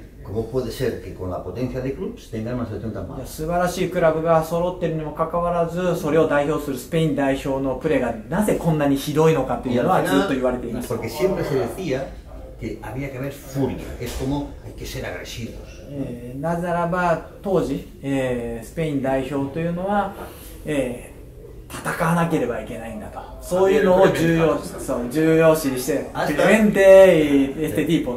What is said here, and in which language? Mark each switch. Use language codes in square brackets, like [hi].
[es] ¿Cómo puede ser que con la potencia de clubes tengan una selección tan mala? [ja] 素晴らしいクラブが揃っているにもかかわらず、それを代表するスペイン代表のプレーがなぜこんなにひどいのかというのはずっと言われています。 [es] Porque siempre se decía que había que haber furia, que es como hay que ser agresivos. [ja] なぜならば当時、スペイン代表というのは、戦わなければいけないんだと。そういうのを重要視して、フェンテイ、エステティポ。